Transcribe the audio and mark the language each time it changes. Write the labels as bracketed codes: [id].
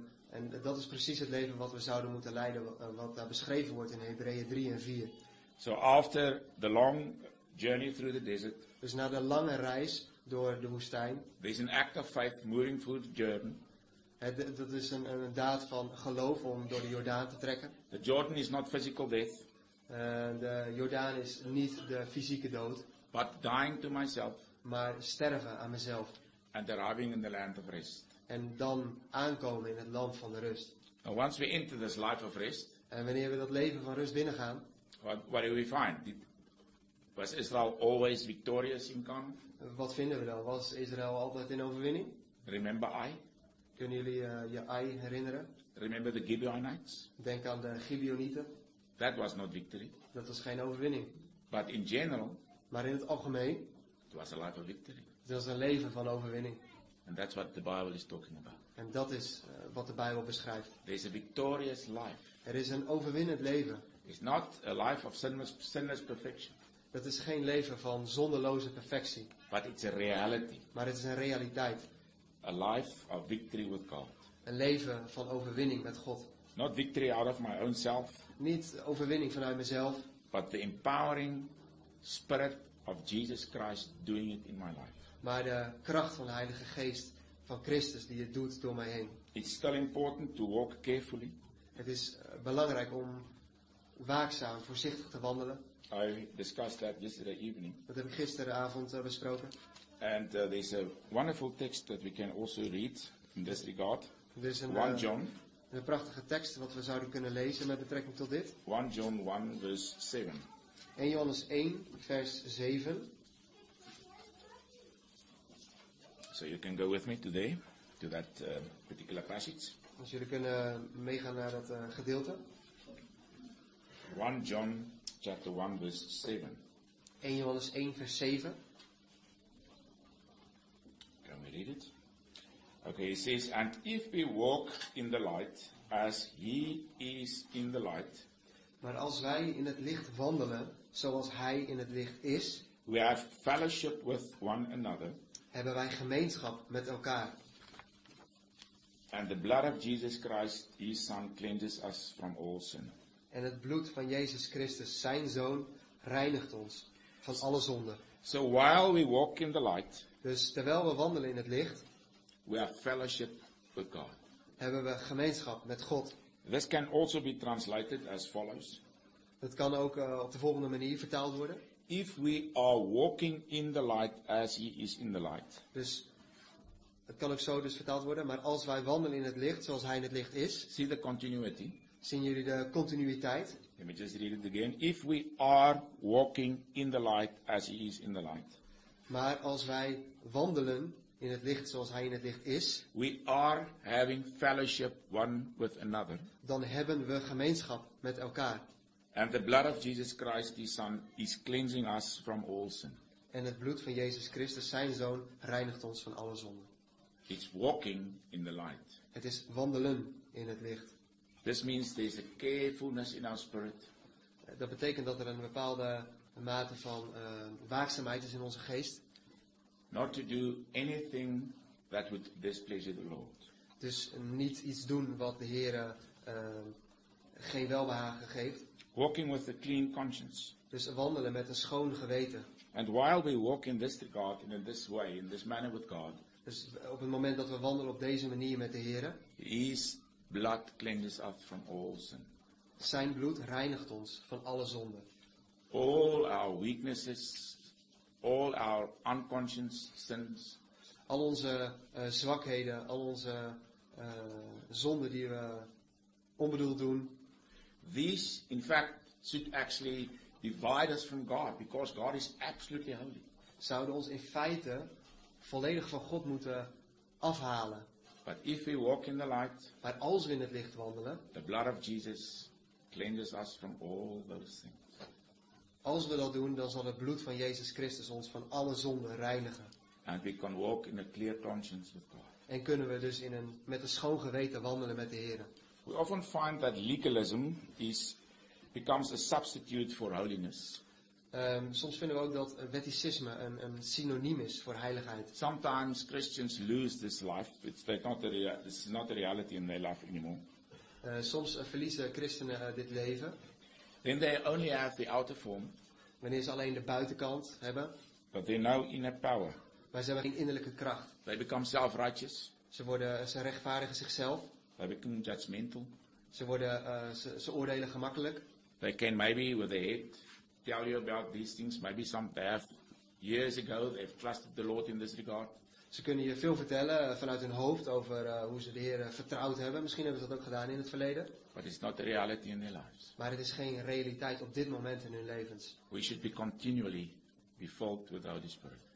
[nl] En dat is precies het leven wat we zouden moeten leiden, wat daar beschreven wordt in Hebreeën 3 en 4. [en] So after the long journey through the desert, [nl] dus na de lange reis door de woestijn, [en] there is an act of faith moving through the Jordan. [nl] Dat is een daad van geloof om door de Jordaan te trekken. [en] The Jordan is not physical death. [nl] De Jordaan is niet de fysieke dood. [en] But dying to myself. [nl] Maar sterven aan mezelf. [en] And arriving in the land of rest. [nl] En dan aankomen in het land van de rust. [en] And once we enter this life of rest. [nl] En wanneer we dat leven van rust binnengaan. [en] What do we find? Was Israel always victorious in Canaan? [nl] Wat vinden we dan? Was Israël altijd in overwinning? [en] Remember I? [nl] Kunnen jullie je Ai herinneren? [en] Remember the Gibeonites? [nl] Denk aan de Gibeonieten. [en] That was not victory. [nl] Dat was geen overwinning. [en] But in general. [nl] Maar in het algemeen. [en] It was a life of victory. [nl] Het was een leven van overwinning. [en] And that's what the Bible is talking about. [nl] En dat is wat de Bijbel beschrijft. [en] There is a victorious life. [nl] Er is een overwinnend leven. [en] It's not a life of sinless perfection. [nl] Dat is geen leven van zonderloze perfectie. [en] But it's a reality. [nl] Maar het is een realiteit. [en] A life of victory with God. [nl] Een leven van overwinning met God. [en] Not victory out of my own self. [nl] Niet overwinning vanuit mezelf. [en] But the empowering spirit of Jesus Christ doing it in my life. [nl] Maar de kracht van de Heilige Geest van Christus die het doet door mij heen. [en] It's still important to walk carefully. [nl] Het is belangrijk om waakzaam, voorzichtig te wandelen. [en] I discussed that yesterday evening. [nl] Dat heb ik gisteravond besproken. [en] And there's a wonderful text that we can also read in this regard. There's 1 John. [nl] Een prachtige tekst wat we zouden kunnen lezen met betrekking tot dit. [en] 1 John 1 verse 7. [nl] 1 Johannes 1 vers 7. [en] So you can go with me today to that particular passage. [nl] Dus jullie kunnen meegaan naar dat gedeelte. [en] 1 John chapter 1 verse 7. [nl] 1 Johannes 1 vers 7. [en] Read it. Okay, he says, and if we walk in the light as he is in the light, [nl] maar als wij in het licht wandelen zoals hij in het licht is, [en] we have fellowship with one another, [nl] hebben wij gemeenschap met elkaar, [en] and the blood of Jesus Christ his son cleanses us from all sin, [nl] en het bloed van Jezus Christus zijn zoon reinigt ons van alle zonden. [en] So while we walk in the light, [nl] dus terwijl we wandelen in het licht, [en] we have fellowship with God. [nl] Hebben we gemeenschap met God. [en] This can also be translated as follows. [nl] Het kan ook op de volgende manier vertaald worden. [en] If we are walking in the light as he is in the light. [nl] Dus het kan ook zo dus vertaald worden, maar als wij wandelen in het licht zoals hij in het licht is. [en] See the continuity. [nl] Zien jullie de continuïteit? [en] Let me just read it again. If we are walking in the light as he is in the light. [nl] Maar als wij wandelen in het licht zoals hij in het licht is. [en] We are having fellowship one with another. [nl] Dan hebben we gemeenschap met elkaar. [en] And the blood of Jesus Christ, his son, is cleansing us from all sin. [nl] En het bloed van Jezus Christus, zijn zoon, reinigt ons van alle zonden. [en] It's walking in the light. [nl] Het is wandelen in het licht. [en] This means there's a carefulness in our spirit. [nl] Dat betekent dat er een bepaalde mate van waakzaamheid is in onze geest. [en] Not to do anything that would displease the Lord. [nl] Dus niet iets doen wat de Heer geen welbehagen geeft. [en] Walking with a clean conscience. [nl] Dus wandelen met een schoon geweten. [en] And while we walk in this regard, in this way, in this manner with God. [nl] Dus op het moment dat we wandelen op deze manier met de Heer. [en] His blood cleanses us from all sin. [nl] Zijn bloed reinigt ons van alle zonden. [en] All our weaknesses, all our unconscious sins. [nl] Al onze zwakheden, al onze zonden die we onbedoeld doen. [en] These, in fact, should actually divide us from God, because God is absolutely holy. [nl] Zouden ons in feite volledig van God moeten afhalen. [en] But if we walk in the light, [nl] maar als we in het licht wandelen, [en] the blood of Jesus cleanses us from all those things. [nl] Als we dat doen, dan zal het bloed van Jezus Christus ons van alle zonden reinigen. [en] And we can walk in a clear conscience with God. [nl] En kunnen we dus met een schoon geweten wandelen met de Heer. [en] We often find that legalism becomes a substitute for holiness. [nl] Soms vinden we ook dat wetticisme een synoniem is voor heiligheid. [en] Sometimes Christians lose this life. It's not a reality in their life anymore. [nl] Soms verliezen christenen dit leven. [en] Then they only have the outer form. [nl] Wanneer ze alleen de buitenkant hebben. [en] But they're now inner power. [nl] Maar ze hebben geen innerlijke kracht. [en] They become self-righteous. [nl] Ze rechtvaardigen zichzelf. [en] They become judgmental. [nl] Ze oordelen gemakkelijk. [en] They can maybe with their head tell you about these things. Maybe some past years ago they've trusted the Lord in this regard. [nl] Ze kunnen je veel vertellen vanuit hun hoofd over hoe ze de Heer vertrouwd hebben. Misschien hebben ze dat ook gedaan in het verleden. [en] But it's not a reality in their lives. [nl] Maar het is geen realiteit op dit moment in hun levens. [en] We should be continually be filled with the Holy Spirit.